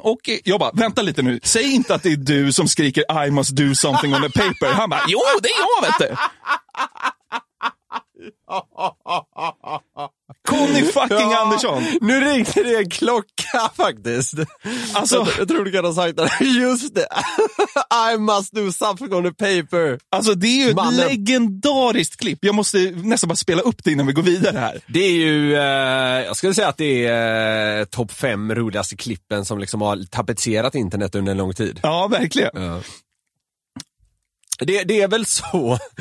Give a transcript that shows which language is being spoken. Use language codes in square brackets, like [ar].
[sv] Och jag bara, vänta lite nu. Säg inte att det är du som skriker, [en] I must do something on the paper. [sv] Han bara, jo, det är jag, vet du. Conny fucking ja, Andersson. Nu ringde det en klocka faktiskt. Alltså, jag tror du kan ha sagt det. Just det. [en] I must do something on the paper. [sv] Alltså det är ju mannen. Ett legendariskt klipp. Jag måste nästan bara spela upp det innan vi går vidare här. Det är ju jag skulle säga att det är topp 5 roligaste klippen som liksom har tapetserat internet under en lång tid. Ja, verkligen. Det är väl så.